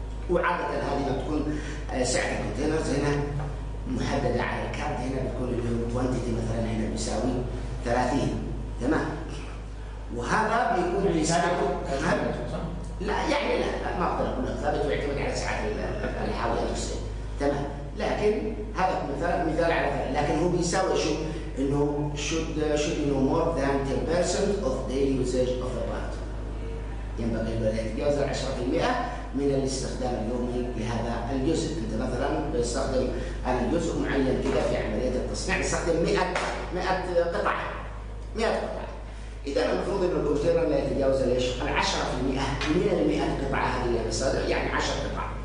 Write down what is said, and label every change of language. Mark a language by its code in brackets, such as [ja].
[ar] وعادة هذه بتكون سعة الكونتينرز هنا محددة على الكارد هنا بتكون اللي هو quantity مثلا هنا بيساوي 30. تمام. وهذا بيكون ثابت لا يعني لا ما أقدر أقول لك ثابت ويعتمد على سعة الحاوية نفسها. تمام. لكن هذا مثال على ذلك لكن هو بيساوي شو؟ إنه [en] should be no more than 10% of daily usage of the plant. [ar] ينبغي أن يتجاوز 10% من الاستخدام اليومي لهذا الجزء. أنت مثلاً تستخدم على جزء معين كذا في عملية التصنيع تستخدم 100 قطعة. 100 قطعة. إذا المفروض إنه الكونتينر لا يتجاوز ليش؟ 10% من 100 قطعة هذه اللي بصدر يعني 10 قطع.